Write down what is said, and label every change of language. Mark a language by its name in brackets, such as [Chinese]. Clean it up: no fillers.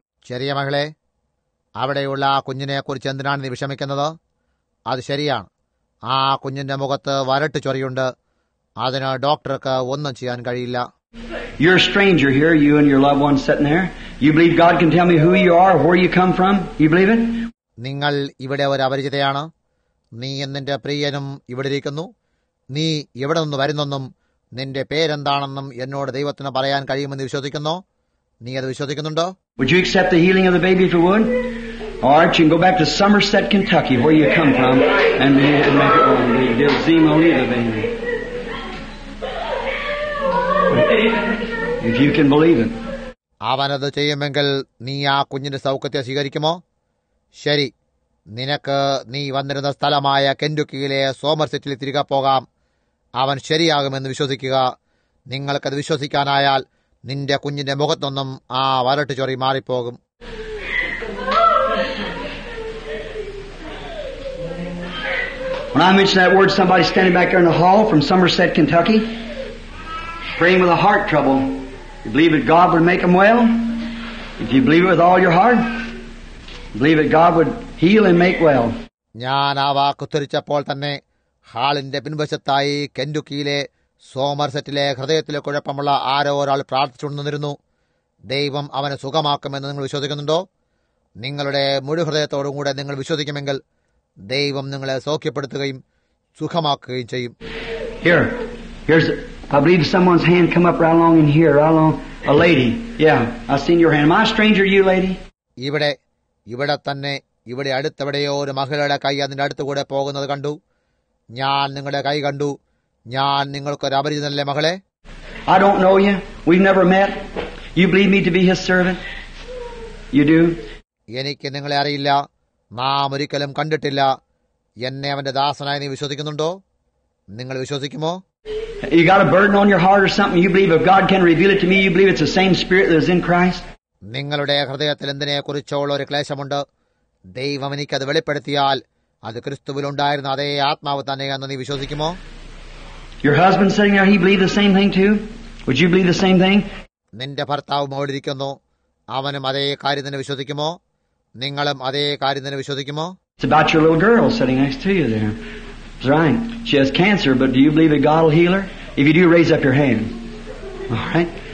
[Malayalam] ചെറിയ മകളെ, അവിടെയുള്ള ആ കുഞ്ഞിനെ കുറിച്ച് എന്തിനാണ് നീ വിഷമിക്കുന്നത്? അത് ശരിയാണ്, ആ കുഞ്ഞിന്റെ മുഖത്ത് വരട്ട് ചൊറിയുണ്ട്. അതിന് ഡോക്ടർക്ക് ഒന്നും ചെയ്യാൻ കഴിയില്ല. [English] You're a stranger here, you and your loved ones sitting there. You believe God can tell me who you are, where you come from? You believe it? [Malayalam] നിങ്ങൾ ഇവിടെ ഒരു അപരിചിതയാണ്. നീ എന്നിന്റെ പ്രിയനും ഇവിടെ ഇരിക്കുന്നു. നീ എവിടെ നിന്ന് വരുന്നെന്നും നിന്റെ പേരെന്താണെന്നും എന്നോട് ദൈവത്തിന് പറയാൻ കഴിയുമെന്ന് വിശ്വസിക്കുന്നോ? നീ അത് വിശ്വസിക്കുന്നുണ്ടോ? [English] Would you accept the healing of the baby if you would? Or you can go back to Somerset, Kentucky, where you come from, and make it home. You'll see me leave the baby. If you can believe it. [Malayalam] അവനത് ചെയ്യുമെങ്കിൽ നീ ആ കുഞ്ഞിന്റെ സൗഖ്യത്തെ സ്വീകരിക്കുമോ? ശരി, നിനക്ക് നീ വന്നിരുന്ന സ്ഥലമായ കെൻഡുക്കിയിലെ സോമർസെറ്റിൽ തിരികെ പോകാം. അവൻ ശരിയാകുമെന്ന് വിശ്വസിക്കുക. നിങ്ങൾക്കത് വിശ്വസിക്കാനായാൽ നിന്റെ കുഞ്ഞിന്റെ മുഖത്തൊന്നും ആ വരട്ട് ചൊറി മാറിപ്പോകും. [English] When I mentioned that word, somebody standing back there in the hall from Somerset, Kentucky, praying with a heart trouble. You believe that God would make him well? If you believe it with all your heart, you believe that God would heal and make well. [Malayalam] ഞാൻ ആ വാക്ക് ഉച്ചരിച്ചപ്പോൾ തന്നെ ഹാളിന്റെ പിൻവശത്തായി കെൻഡുക്കിയിലെ സോമർസെറ്റിലെ ഹൃദയത്തിലെ കുഴപ്പമുള്ള ആരോ ഒരാൾ പ്രാർത്ഥിച്ചുകൊണ്ടിരുന്നു, ദൈവം അവനെ സുഖമാക്കുമെന്ന് നിങ്ങൾ വിശ്വസിക്കുന്നുണ്ടോ? നിങ്ങളുടെ മുഴുവൃദയത്തോടും കൂടെ നിങ്ങൾ വിശ്വസിക്കുമെങ്കിൽ ദൈവം നിങ്ങളെ സൗഖ്യപ്പെടുത്തുകയും സുഖമാക്കുകയും ചെയ്യും. [English] Here, here's I believe someone's hand come up right along in here, right along. A lady. Yeah, I've seen your hand. Am I a stranger to you, lady? [Malayalam] ഇവിടെ തന്നെ ഇവിടെ അടുത്തെവിടെയോ ഒരു മഹിളയുടെ കൈ അതിന്റെ അടുത്ത് കൂടെ പോകുന്നത് കണ്ടു. ഞാൻ നിങ്ങളുടെ കൈ കണ്ടു. ഞാൻ നിങ്ങൾക്കൊരു അപരിചിതനല്ലേ മകളെ? [English] I don't know you. We've never met. You believe me to be his servant? You do? [Malayalam] എനിക്ക് നിങ്ങളെ അറിയില്ല. നാം ഒരിക്കലും കണ്ടിട്ടില്ല. എന്നെ അവന്റെ ദാസനായി നീ വിശ്വസിക്കുന്നുണ്ടോ? നിങ്ങൾ വിശ്വസിക്കുമോ? [English] You got a burden on your heart or something? You believe if God can reveal it to me, you believe it's the same spirit that is in Christ? [Malayalam] നിങ്ങളുടെ ഹൃദയത്തിൽ എന്തിനെക്കുറിച്ചുള്ള ഒരു ക്ലേശമുണ്ട്? ദൈവം എനിക്കത് വെളിപ്പെടുത്തിയാൽ അത് ക്രിസ്തുവിലുണ്ടായിരുന്ന അതേ ആത്മാവ് തന്നെയെന്ന് നീ വിശ്വസിക്കുമോ? [English] Your husband sitting there, he believe the same thing too? Would you believe the same thing? [Malayalam] നിന്റെ ഭർത്താവ് മോടിരിക്കുന്നു. അവനും അതേ കാര്യം തന്നെ വിശ്വസിക്കുമോ? നിങ്ങളും അതേ കാര്യം തന്നെ വിശ്വസിക്കുമോ? [English] It's about your little girl sitting next to you there. That's right. She has cancer, but do you believe that God will heal her? If you do, raise up your hand. All right?